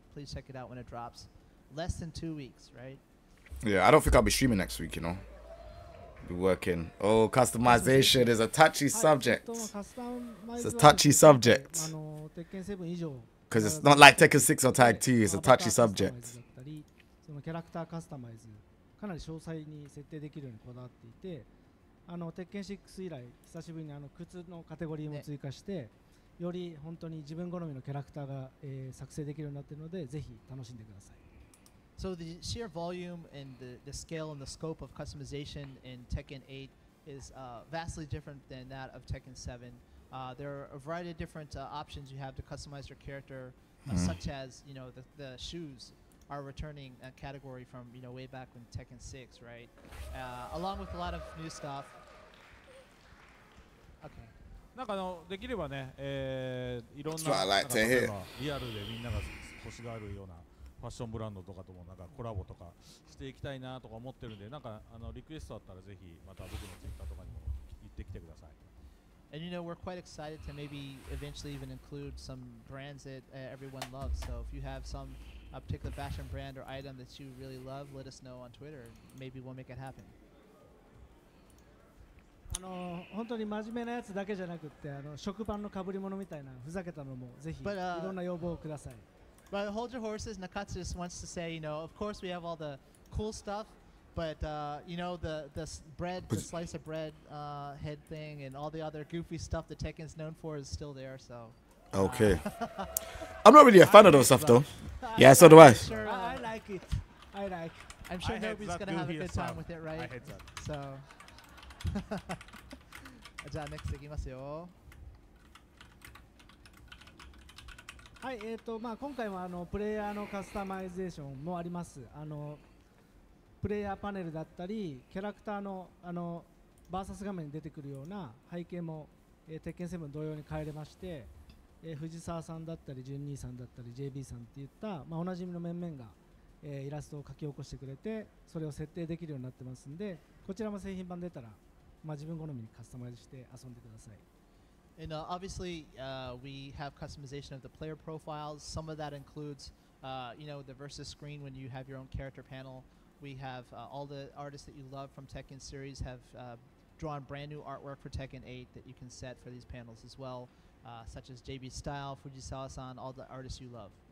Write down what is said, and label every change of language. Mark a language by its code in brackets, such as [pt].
[en] Please check it out when it drops. Less than 2 weeks, right? Yeah, I don't think I'll be streaming next week, you know. Be working. Oh, customization is a touchy subject. It's a touchy subject. Because it's not like Tekken 6 or Tag 2, it's a touchy subject. [ja] キャラクターカスタマイズかなり詳細に設定できるようにこだわっていて、あの鉄拳6以来久しぶりにあの靴のカテゴリーも追加して、ね、より本当に自分好みのキャラクターが、作成できるようになっているのでぜひ楽しんでください。 [en] So the sheer volume and the scale and the scope of customization in Tekken 8 is vastly different than that of Tekken 7. There are a variety of different options you have to customize your character, such as you know the shoes. Our returning category from you know way back when Tekken 6, right? Along with a lot of new stuff. Okay. [ja] なんかあのできればね、いろんな、 [en] That's what I like to hear. [ja] リアルでみんなが欲しがるようなファッションブランドとかともなんかコラボとかしていきたいなとか思ってるんで、なんかあのリクエストあったらぜひまた僕のツイッターとかにも言ってきてください。 [en] And you know we're quite excited to maybe eventually even include some brands that everyone loves. So if you have some. A particular fashion brand or item that you really love, let us know on Twitter. Maybe we'll make it happen. [ja] あの本当に真面目なやつだけじゃなくって、あの食パンの被り物みたいなふざけたのもぜひいろんな要望をください。 [en] But hold your horses, Nakatsu just wants to say, you know, of course we have all the cool stuff, but you know the bread, the slice of bread head thing, and all the other goofy stuff that Tekken's known for is still there, so. Okay. I'm not really a fan of those stuff though. Yeah, so do I. I like it. I like it. I'm sure nobody's going to have a good time with it, right? I hate that. So. [ja] じゃあ、 [en] next [ja] いきますよ。はい、まあ今回もあのプレイヤーのカスタマイゼーションもあります。あのプレイヤーパネルだったり、キャラクターのあのバーサス画面に出てくるような背景も、鉄拳7同様に変えれまして、藤沢さんだったり、ジュン兄さんだったり、JB さんっていった、まあ、おなじみの面々が、イラストを描き起こしてくれて、それを設定できるようになってますんで、こちらも製品版出たら、まあ、自分好みにカスタマイズして遊んでください。 [en] And obviously, we have customization of the player profiles. Some of that includes, you know, the versus screen when you have your own character panel. We have all the artists that you love from Tekken series have drawn brand new artwork for Tekken 8 that you can set for these panels as well, such as JB Style, Fujisawa-san, all the artists you love.